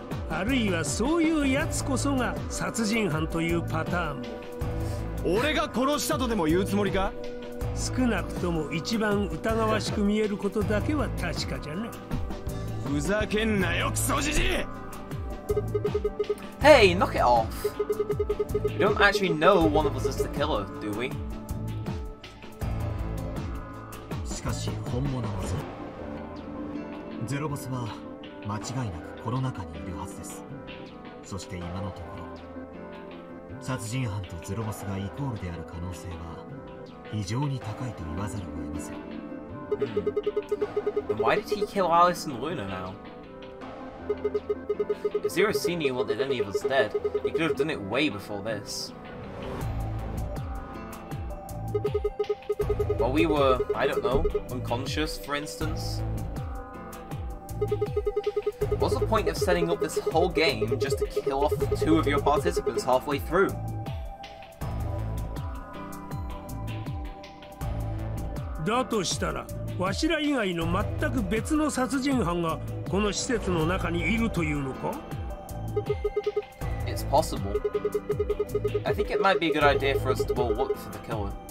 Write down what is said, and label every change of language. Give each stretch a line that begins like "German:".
Japanese: あるいはそういうやつこそが殺人犯というパターン。俺が殺したとでも言うつもりか？少なくとも一番疑わしく見えることだけは確かじゃね。ふざけんなよ、クソジジイ！
English: Hey, knock it off! We don't actually know one of us is the killer, do we?
Japanese: しかし本物はゼロ。ゼロボスは間違いなくコロナ禍にいるはずです。そして今のところ、殺人犯とゼロボスがイコールである可能性は非常に高いと言わざるを得ません。
English: Why did he kill Alice and Luna now? Zero senior wanted any of us dead. He could have done it way before this. While we were, I don't know, unconscious, for instance. What's the point of setting up this whole game just to kill off two of your participants halfway through?
Japanese: だとしたら、わしら以外の全く別の殺人犯がこの施設の中にいるというのか？
English: It's possible. I think it might be a good idea for us to all look for the killer.